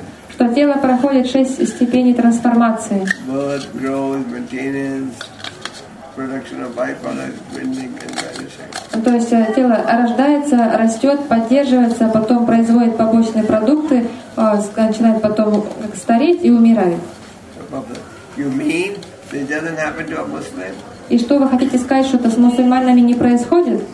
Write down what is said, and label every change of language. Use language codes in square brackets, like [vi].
[ru] Что тело проходит 6 степеней трансформации. [en] Birth, growth, maintenance, production of byproducts, winding and vanishing. [ru] То есть тело рождается, растет, поддерживается, потом производит побочные продукты, начинает потом стареть и умирает. [en] You mean it doesn't happen to a Muslim? [ru] И что вы хотите сказать, что это с мусульманами не происходит?